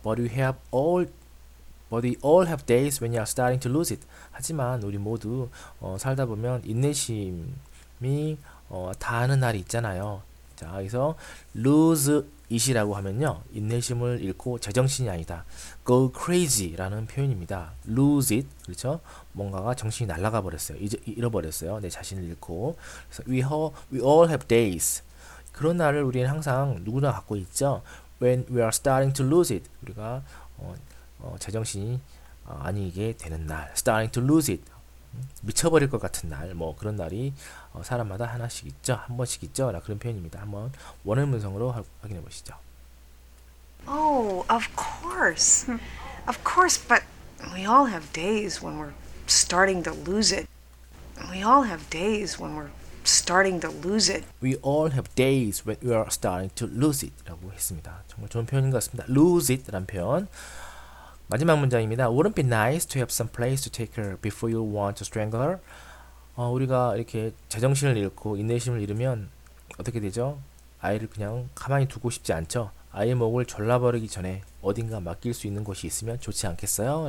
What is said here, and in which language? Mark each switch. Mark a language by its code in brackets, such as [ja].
[en] But we all have days when you are starting to lose it. [ko] 하지만 우리 모두 살다 보면 인내심이 다하는 날이 있잖아요. 자, 여기서 [en] lose it [ko] 이라고 하면요, 인내심을 잃고 제정신이 아니다, [en] go crazy [ko] 라는 표현입니다. [en] lose it, [ko] 그렇죠? 뭔가가 정신이 날아가 버렸어요, 잃어버렸어요, 내 자신을 잃고. 그래서 [en] we all have days, [ko] 그런 날을 우리는 항상 누구나 갖고 있죠. [en] When we are starting to lose it, [ko] 우리가 제정신이 아니게 되는 날, [en] starting to lose it. [ko] 미쳐버릴 것 같은 날, 뭐 그런 날이 사람마다 하나씩 있죠, 한 번씩 있죠, 라 그런 표현입니다. 한번 원어민 문성으로 확인해 보시죠. [en] Oh, of course, but we all have days when we're starting to lose it. We all have days when we're starting to lose it. We all have days when we are starting to lose it라고 [ko] 했습니다. 정말 좋은 표현인 것 같습니다. [en] Lose it라는 표현. [ko] 마지막 문장입니다. [en] Wouldn't it be nice to have some place to take her before you want to strangle her? [ko] 우리가 이렇게 제정신을 잃고 인내심을 잃으면 어떻게 되죠? 아이를 그냥 가만히 두고 싶지 않죠? 아이의 목을 졸라버리기 전에 어딘가 맡길 수 있는 곳이 있으면 좋지 않겠어요?